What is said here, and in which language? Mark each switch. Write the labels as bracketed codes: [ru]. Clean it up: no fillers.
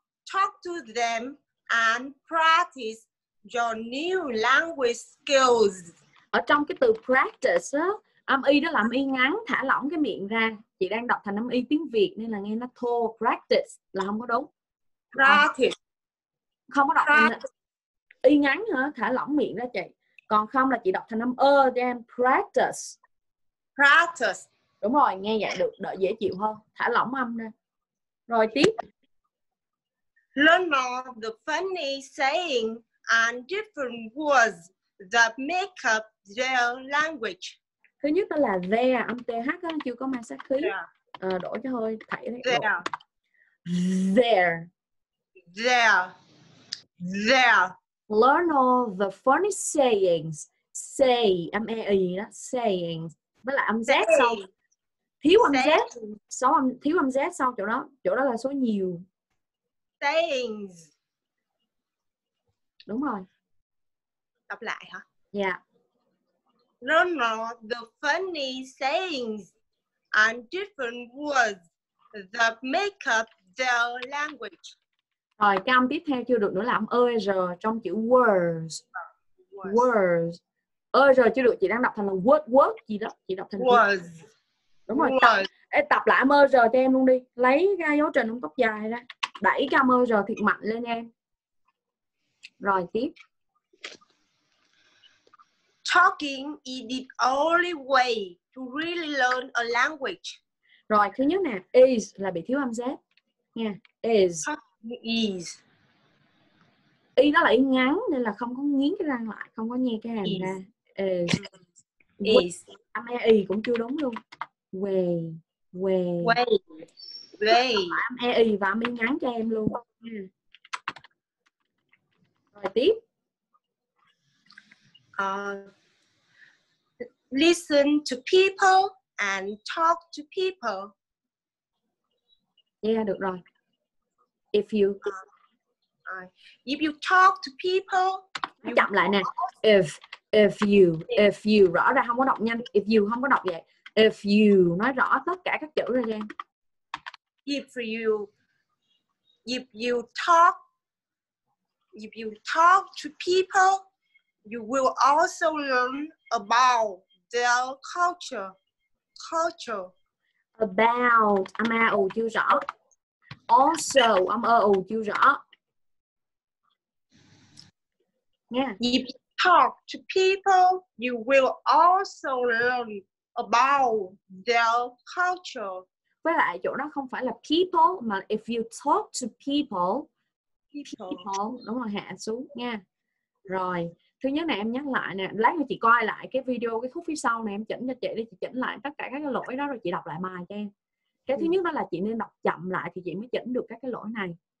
[en] talk to them and practice your new language skills. [vi] Ở trong cái từ practice á, âm y đó là âm y ngắn, thả lỏng cái miệng ra. Chị đang đọc thành âm y tiếng Việt nên là nghe nó thô, practice là không có đúng. [en] Practice. [vi] Không có đọc y ngắn hả? Thả lỏng miệng ra chị. Còn không là chị đọc thành âm ơ, then practice. [en] Practice. [vi] Đúng rồi, nghe vậy được, đỡ dễ chịu hơn. Thả lỏng âm ra. Rồi tiếp. [en] Learn more the funny saying and different words that make up their language. [vi] Thứ nhất đó là there, âm th đó, chưa có mang sát khí. Yeah. À, đổ cho hơi, thảy đấy. [en] There. There. There. There. Learn all the funny sayings. [vi] Say, âm e y đó, sayings. Với lại âm z sau. Thiếu âm z. Thiếu âm z sau chỗ đó. Chỗ đó là số nhiều. [en] Sayings. [vi] Đúng rồi. Đọc lại hả? Dạ. Yeah. [en] Learn all the funny sayings and different words that make up their language. [vi] Rồi, cái âm tiếp theo chưa được nữa là âm er trong chữ words. Words. Er chưa được, chị đang đọc thành là word, word gì đó. Chị đọc thành [en] words. [vi] Đúng rồi. Words. Tập lại âm er cho em luôn đi. Lấy ra dấu trình ống tóc dài ra. Đẩy cái âm er thiệt mạnh lên em. Rồi, tiếp. [en] Talking is the only way to really learn a language. [vi] Rồi, thứ nhất nè, is là bị thiếu âm z. Nha, is. [en] Is. [vi] Y nó là y ngắn nên là không có nghiến cái răng lại, không có nhe cái hàm ra. [en] Is. Is. [vi] Âm e y cũng chưa đúng luôn. [en] Way. Way. Way. Way. [vi] Âm e y và âm y ngắn cho em luôn. Rồi tiếp. [en] Listen to people and talk to people. Yeah, [vi] được rồi. [en] If you if you talk to people, [vi] chậm lại nè. [en] If you [vi] rõ ra không có đọc nhanh. If you không có đọc vậy. If you nói rõ tất cả các chữ ra nha. [en] If you talk to people, you will also learn about their culture. Culture. [vi] About, âm a ù chưa rõ. Also, âm ơ ù chưa rõ. Nghe. [en] If you talk to people, you will also learn about their culture. [vi] Với lại chỗ đó không phải là people, mà [en] if you talk to people. People. [vi] Đúng rồi, hạ xuống nha. Rồi. Thứ nhất này em nhắc lại nè, lát nữa chị coi lại cái video, cái khúc phía sau này em chỉnh cho chị đi, chị chỉnh lại tất cả các cái lỗi đó rồi chị đọc lại bài cho em. Cái thứ nhất đó là chị nên đọc chậm lại thì chị mới chỉnh được các cái lỗi này.